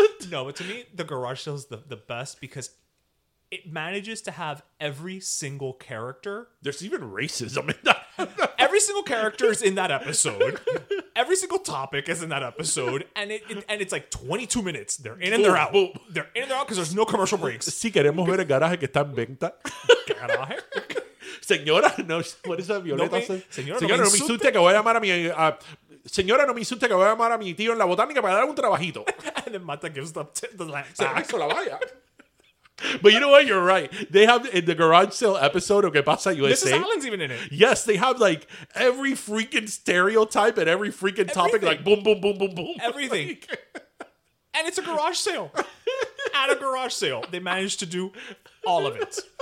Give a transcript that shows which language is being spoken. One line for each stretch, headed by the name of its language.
English: No, but to me, the garage show is the best because it manages to have every single character. There's even racism in that. Every single character is in that episode. Every single topic is in that episode, and it's like 22 minutes. They're in and they're out. Boom. They're in and they're out because there's no commercial breaks.
Spanish: Si queremos ver el garaje que está en venta. Garaje. Señora, no.
English: What is that, Violeta?
Spanish: Señora, no me insulte que voy a llamar a mi tío en la botánica para dar un trabajito.
English: And then Mata gives the lamp.
Spanish: Se hizo la valla.
English: But you know what? You're right. They have in the garage sale episode of Que Pasa USA. Mrs. Allen's even in it. Yes, they have like every freaking stereotype and every freaking topic, like boom, boom, boom, boom, boom. Everything. Like. And it's a garage sale. At a garage sale, they managed to do all of it.